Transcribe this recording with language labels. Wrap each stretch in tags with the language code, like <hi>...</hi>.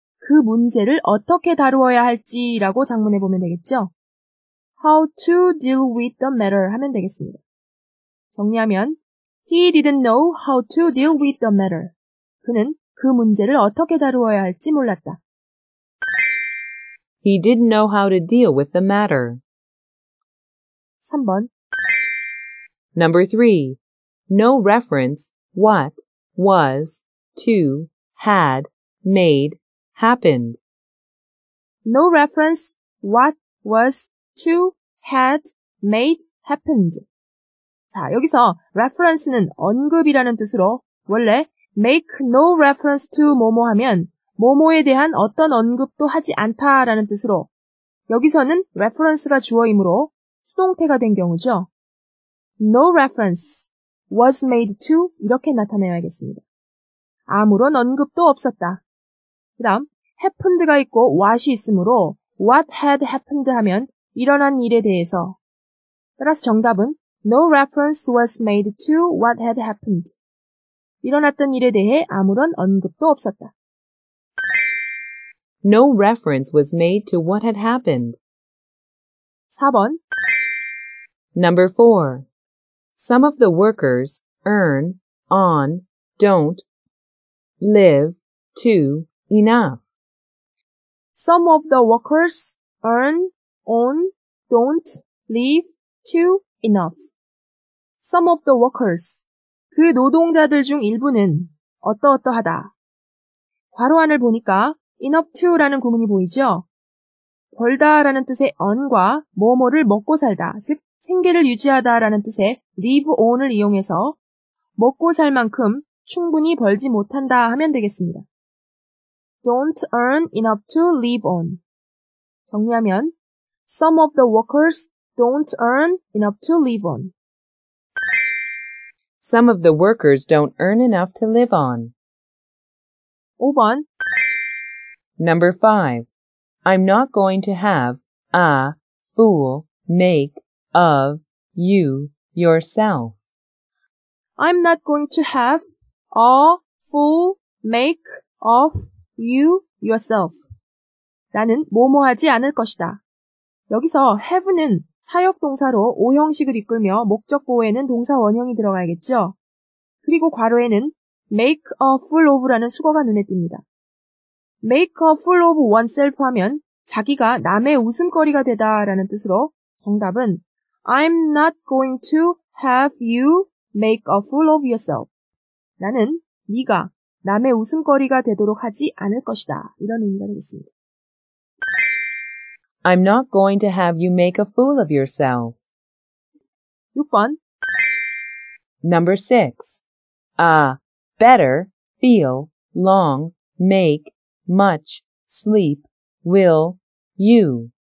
<ko>그 문제를 어떻게 다루어야 할지라고 작문해 보면 되겠죠.</ko> <en>How to deal with the matter</en> <ko>하면 되겠습니다. 정리하면</ko> <en>He didn't know how to deal with the matter.</en> <ko>그는 그 문제를 어떻게 다루어야 할지 몰랐다.</ko> <en>He didn't know how to deal with the matter.</en> <ko>3번</ko> <en>Number 3. No reference what, was, to, had, made. Happened. No reference what was to had made happened.</en> <ko>자, 여기서 reference는 언급이라는 뜻으로 원래</ko> <en>make no reference to</en> <ko>뭐뭐 하면 뭐뭐에 대한 어떤 언급도 하지 않다라는 뜻으로 여기서는 reference가 주어이므로 수동태가 된 경우죠.</ko> <en>No reference was made to</en> <ko>이렇게 나타내야겠습니다. 아무런 언급도 없었다. 그 다음 happened가 있고 what이 있으므로</ko> <en>what had happened</en> <ko>하면 일어난 일에 대해서 따라서 정답은</ko> <en>No reference was made to what had happened.</en> <ko>일어났던 일에 대해 아무런 언급도 없었다.</ko> <en>No reference was made to what had happened.</en> <ko>4번</ko> <en>Number 4. Some of the workers earn on, don't, live, to, enough. Some of the workers earn on, don't, live, to, enough. Some of the workers.</en> <ko>그 노동자들 중 일부는 어떠어떠하다. 괄호 안을 보니까 enough to라는 구문이 보이죠? 벌다라는 뜻의 on과 뭐뭐를 먹고 살다, 즉 생계를 유지하다라는 뜻의 live on을 이용해서 먹고 살 만큼 충분히 벌지 못한다 하면 되겠습니다.</ko> <en>Don't earn enough to live on.</en> <ko>정리하면</ko> <en>Some of the workers don't earn enough to live on. Some of the workers don't earn enough to live on.</en> <ko>5번</ko> <en>Number 5. I'm not going to have a fool make of you yourself. I'm not going to have a fool make of you yourself.</en> <ko>나는 뭐뭐 하지 않을 것이다. 여기서 have는 사역동사로 오형식을 이끌며 목적보호에는 동사원형이 들어가야겠죠. 그리고 괄호에는 make a fool of라는 수거가 눈에 띕니다.</ko> <en>make a fool of oneself</en> <ko>하면 자기가 남의 웃음거리가 되다 라는 뜻으로 정답은</ko> <en>I'm not going to have you make a fool of yourself.</en> <ko>나는 네가 남의 웃음거리가 되도록 하지 않을 것이다. 이런 의미가 되겠습니다.</ko> <en>I'm not going to have you make a fool of yourself.</en> <ko>6번</ko> <en>Number 6. A better feel long make much sleep will you.</en>